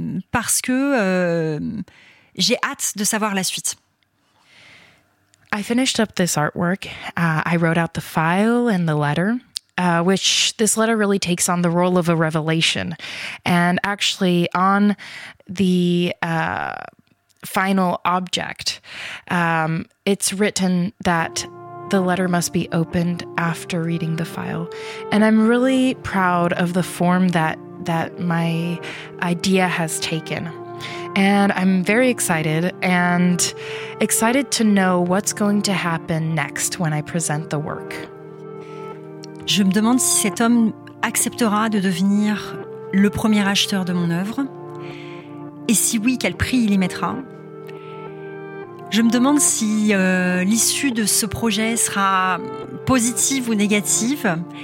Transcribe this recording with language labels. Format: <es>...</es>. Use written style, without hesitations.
<fr>Parce que j'ai hâte de savoir la suite.</fr> <en>I finished up this artwork. I wrote out the file and the letter, which this letter really takes on the role of a revelation. And actually, on the final object, it's written that the letter must be opened after reading the file. And I'm really proud of the form that my idea has taken. And I'm very excited, and excited to know what's going to happen next when I present the work.</en> <fr>Je me demande si cet homme acceptera de devenir le premier acheteur de mon œuvre? Et si oui, quel prix il y mettra? Je me demande si l'issue de ce projet sera positive ou négative.</fr>